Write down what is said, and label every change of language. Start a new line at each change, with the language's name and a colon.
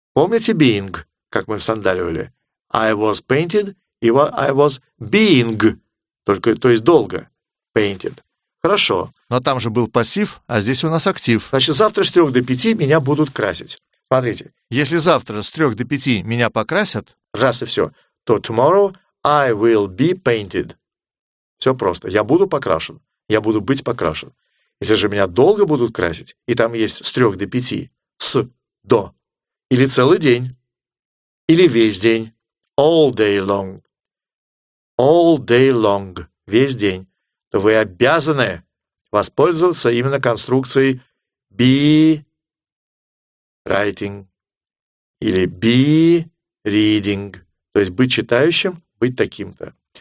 Russian: Помните being, как мы в сандалиоле?
English: I was painted,
Russian: и
English: I was being.
Russian: Только, то есть долго. Painted. Хорошо. Но там же был пассив, а здесь у нас актив. Значит, завтра с 3 до 5 меня будут красить. Смотрите. Если завтра с 3 до 5 меня покрасят... Раз и все. То
English: tomorrow I will be painted.
Russian: Все просто. Я буду покрашен. Я буду быть покрашен. Если же меня долго будут красить, и там есть с 3 до 5, с, до, или целый день, или весь день,
English: all day long, all day long,
Russian: весь день, то вы обязаны воспользоваться именно конструкцией
English: be writing
Russian: или
English: be reading,
Russian: то есть быть читающим, быть таким-то.